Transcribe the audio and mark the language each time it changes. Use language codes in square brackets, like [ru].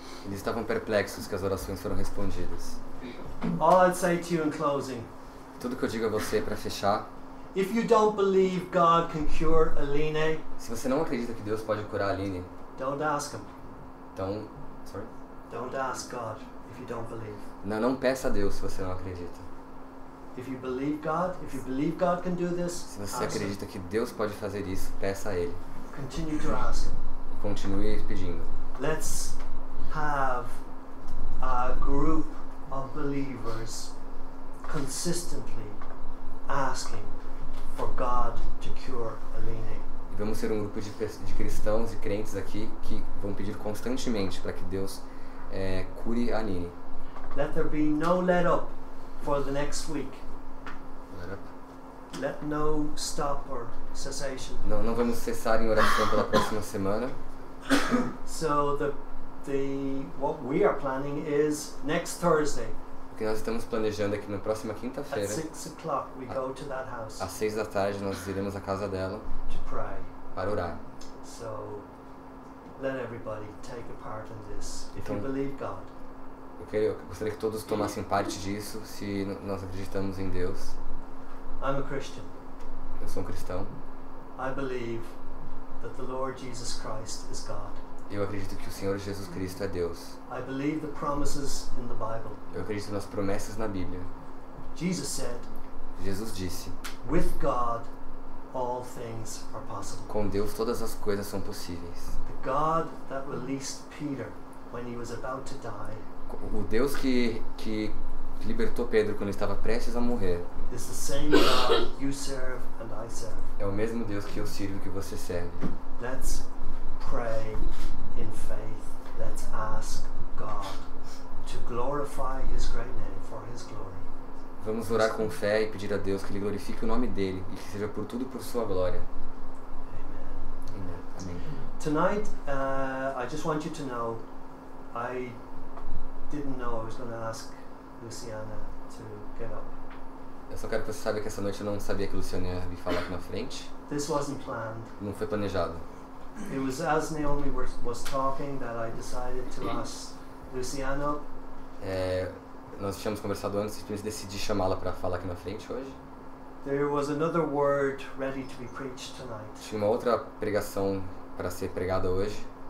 [pt] Eles estavam perplexos que as orações foram respondidas. [en] All I'd say to you in closing. [pt] Tudo que eu digo a você para fechar. [en] If you don't believe God can cure Aline. [pt] Se você não acredita que Deus pode curar Aline. [en] Don't ask him. Don't ask God if you don't believe. [pt] Não peça a Deus se você não acredita. [en] If you believe God, if you believe God can do this. [pt] Se você acredita que Deus pode fazer isso, peça a ele. [en] Continue to ask him. [pt] Continue pedindo. [en] Let's have a group of believers consistently asking for God to cure Aline. [pt] E vamos ser um grupo de cristãos e crentes aqui que vão pedir constantemente para que Deus cure a Aline. [en] Let there be no let up for the next week. Let up. Let no stop or cessation. [pt] Não vamos cessar em oração pela próxima semana. [en] So the what we are planning is next Thursday. [pt] O que nós estamos planejando é que na próxima quinta-feira, [en] at 6 o'clock, we go to that house. [pt] Às 6 da tarde nós iremos à casa dela [en] to pray. [pt] Para orar. [en] So let everybody take a part in this if you believe God. [pt] Eu gostaria que todos tomassem parte disso se nós acreditamos em Deus. [en] I'm a Christian. [pt] Eu sou um cristão. [en] I believe that the Lord Jesus Christ is God. [pt] Eu acredito que o Senhor Jesus Cristo é Deus. [en] I believe the promises in the Bible. [pt] Eu acredito nas promessas na Bíblia. [en] Jesus said. [pt] Jesus disse. [en] With God, all things are possible. [pt] Com Deus todas as coisas são possíveis. [en] The God that released Peter when he was about to die. [pt] O Deus que libertou Pedro quando ele estava prestes a morrer. [en] It's the same God you serve and I serve. [pt] É o mesmo Deus que eu sirvo e que você serve. [en] Let's pray in faith. Let's ask God to glorify his great name for his glory. [pt] Vamos orar com fé e pedir a Deus que ele glorifique o nome dele e que seja por tudo por sua glória. [en] Amen. [pt] Amém. [en] Tonight, I just want you to know I didn't know I was going to ask Luciana to get up. [pt] Eu só quero que você saiba que essa noite eu não sabia que o Luciano ia me falar aqui na frente. [en] This wasn't planned. [pt] Não foi planejado. [en] It was as Naomi was talking that I decided to ask Luciano. [pt] Nós tínhamos conversado antes e decidi chamá-la para falar aqui na frente hoje. [en] There was another word ready to be preached tonight. [pt] Tinha uma outra pregação para ser pregada hoje.